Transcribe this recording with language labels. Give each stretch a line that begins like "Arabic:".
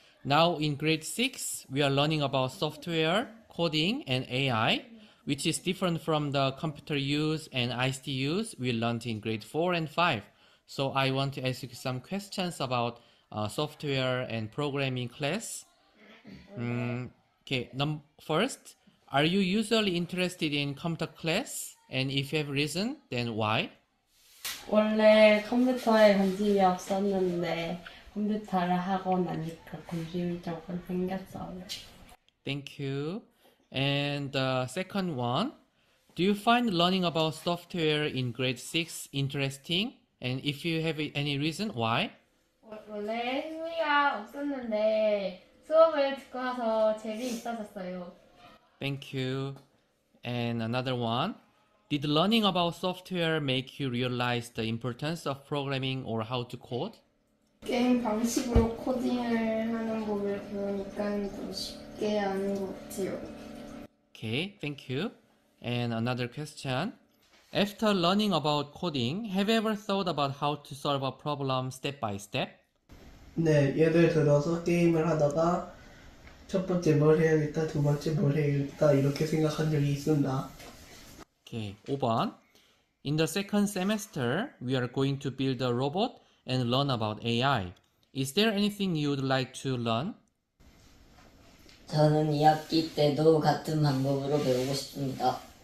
English: Now in grade 6, we are learning about software, coding, and AI, which is different from the computer use and ICT use we learned in grade 4 and 5. So I want to ask you some questions about software and programming class. Okay, first, are you usually interested in computer class? And if you have reason, then why?
Korean: 원래 컴퓨터에 관심이 없었는데 컴퓨터를 하고 나니까 관심이 조금 생겼어요.
English: Thank you. And the second one, do you find learning about software in grade 6 interesting? And if you have any reason, why?
Korean: 원래 흥미가 없었는데 수업을 듣고 나서 재미있어졌어요.
English: Thank you. And another one, did learning about software make you realize the importance of programming or how to code?
Korean: 게임 방식으로 코딩을 하는 법을 배우니까 더 쉽게 아는 것 같아요.
English: Okay, thank you. And another question. After learning about coding, have you ever thought about how to solve a problem step by step?
Korean: 네, 예를 들어서 게임을 하다가 첫 번째 뭘 해야겠다, 두 번째 뭘 해야겠다 이렇게 생각한 적이 있습니다.
English: Okay, 5번. In the second semester, we are going to build a robot and learn about AI. Is there anything you'd like to learn?
Korean: 저는 2학기 때도 같은 방법으로 배우고 싶습니다.